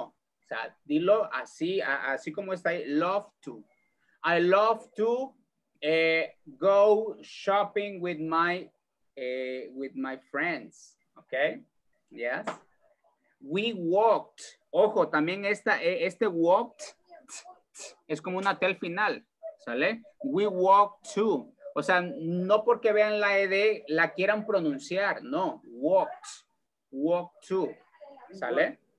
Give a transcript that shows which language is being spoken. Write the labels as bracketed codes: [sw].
[es] O sea, dilo así, así como está ahí, [en] love to. I love to go shopping with my friends. Okay, yes. We walked. [es] Ojo, también este walked es como una T al final. ¿Sale? [en] We walked too. [es] O sea, no porque vean la ED la quieran pronunciar. [en] No, walked. Walked too. [es] ¿Sale?